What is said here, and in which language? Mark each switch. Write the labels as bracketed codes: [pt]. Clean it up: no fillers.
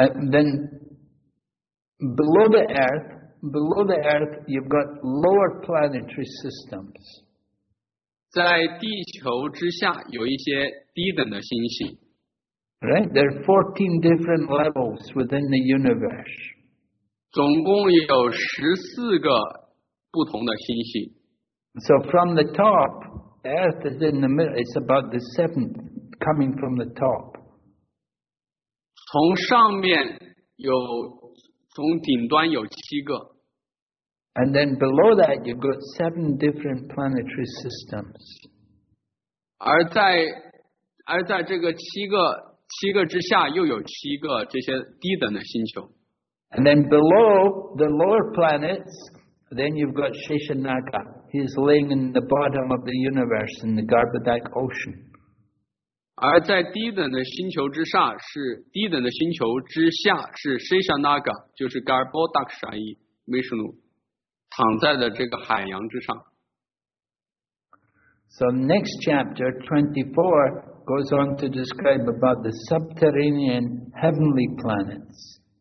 [en] Then below the earth, you've got lower planetary systems. [zh] 在地球之下有一些低等的星系。 [en] Right, there are 14 different levels within the universe. [zh] 总共有十四个不同的星系。 [en] So from the top, Earth is in the middle. It's about the seventh coming from the top. [zh] 从上面有，从顶端有七个。 [en] And then below that, you've got seven different planetary systems. [zh] 而在这个七个之下，又有七个这些低等的星球。 [en] And then below the lower planets, then you've got Sheshanaga. He's laying in the bottom of the universe in the Garbhodak Ocean. [zh] 而在低等的星球之上是低等的星球之下是 Sheshanaga, 就是 Garbhodak Shai Vishnu, 躺在的这个海洋之上。 [en] So next chapter 24 goes on to describe about the subterranean heavenly planets.